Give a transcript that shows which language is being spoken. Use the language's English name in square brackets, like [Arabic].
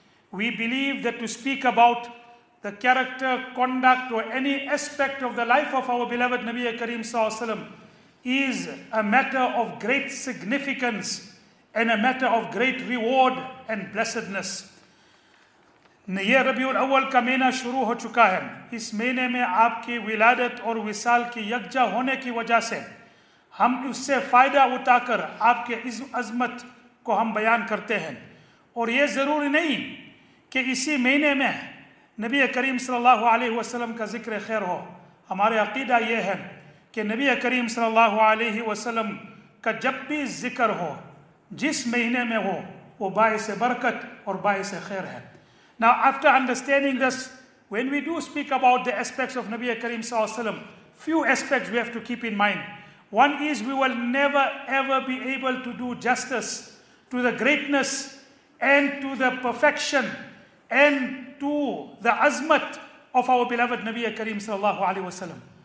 [English] We believe that to speak about the character, conduct or any aspect of the life of our beloved Nabi Kareem sallallahu alaihi wasallam is a matter of great significance and a matter of great reward and blessedness. [Urdu] یہ ربیع الاول کا مہینہ شروع ہو چکا ہے. اس مہینے میں آپ کی ولادت اور وصال کی یکجا ہونے کی وجہ سے ہم اس سے فائدہ اٹھا کر آپ کے عظمت کو ہم بیان کرتے ہیں. اور یہ ضروری نہیں کہ اسی مہینے میں نبی کریم صلی اللہ علیہ وسلم کا ذکر خیر ہو. ہمارے عقیدہ یہ ہے کہ نبی کریم صلی اللہ علیہ وسلم کا جب بھی ذکر ہو جس مہینے میں ہو وہ باعث برکت اور باعث خیر ہے. [English] Now, after understanding this, when we do speak about the aspects of Nabi Kareem sallallahu alaihi wasallam, few aspects we have to keep in mind. One is we will never ever be able to do justice to the greatness and to the perfection and to the azmat of our beloved Nabi Kareem sallallahu alaihi wasallam.